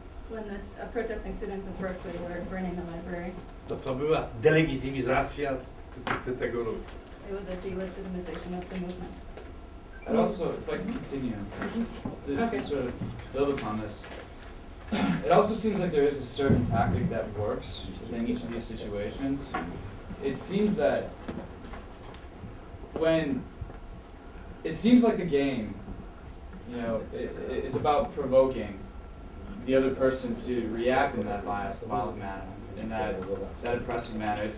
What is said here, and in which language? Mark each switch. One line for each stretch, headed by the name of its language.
English: When the protesting students of Berkeley were burning the library.
Polish: To była delegitymizacja tego ruchu.
English: It was a delegitimization of the movement. And also, if I can continue, to sort of build upon this, it also seems like there is a certain tactic that works in each of these situations. It seems that when it seems like the game, it's about provoking the other person to react in that violent manner, in that oppressive manner.